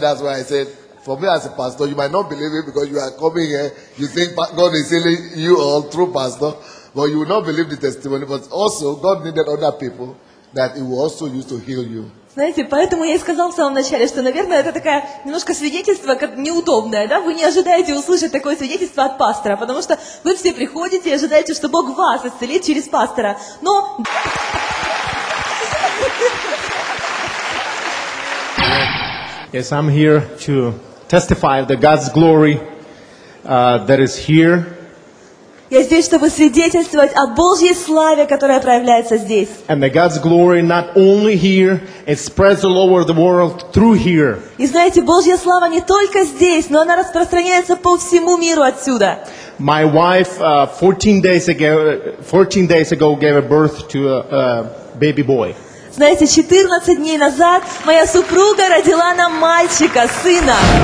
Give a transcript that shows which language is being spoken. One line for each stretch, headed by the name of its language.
English: That's why I said, for me as a pastor, you might not believe it because you are coming here. You think God is healing you all through pastor, but you will not believe the testimony. But also, God needed other people that He will also use to heal you.
Russian: Знаете, поэтому я и сказал в самом начале, что, наверное, это такое немножко свидетельство неудобное, да? Вы не ожидаете услышать такое свидетельство от пастора, потому что вы все приходите и ожидаете, что Бог вас исцелит через пастора, но.
English: Yes, I'm here to testify of the God's glory that is here.
Russian: Я здесь, чтобы свидетельствовать о Божьей славе, которая проявляется здесь.
English: And the God's glory not only here, it spreads all over the world through here.
Russian: И знаете, Божья слава не только здесь, но она распространяется по всему миру отсюда.
English: My wife 14 days ago gave birth to a baby boy.
Russian: Знаете, 14 дней назад моя супруга родила нам мальчика, сына.